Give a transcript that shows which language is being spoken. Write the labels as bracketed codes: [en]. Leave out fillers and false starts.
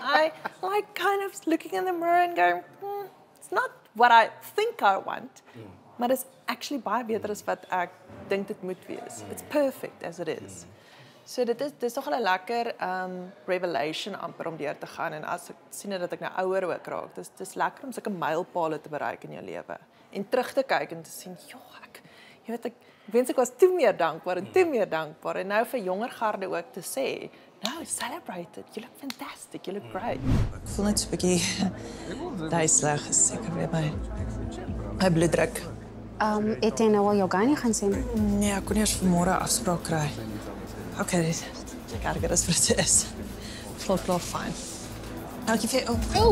[en] And I like kind of looking in the mirror and going, it's not what I think I want, [af] maar [en] it's actually [af] baie beter as wat ek dink dit moet wees. [en] It's perfect as it is. [af] So dit is nogal 'n lekker revelation amper om deur te gaan. En as ek sien dat ek nou ouer ook raak, dis lekker om sulke mylpale te bereik in jou lewe. En terug te kyk en te sien, joh, ek was toe meer dankbaar en toe meer dankbaar. En nou vir jonger garde ook te sê, [en] no, celebrate it, you look fantastic, you look great. [af] Ek voel net so bietjie duiselig, seker weer my bloeddruk. Het jy nou al jou gynae gaan sien? Nee, ek kon eers vanmôre afspraak kry. Ok, dit is erger as wat het is. Volklaar fijn. Dankie vir jou.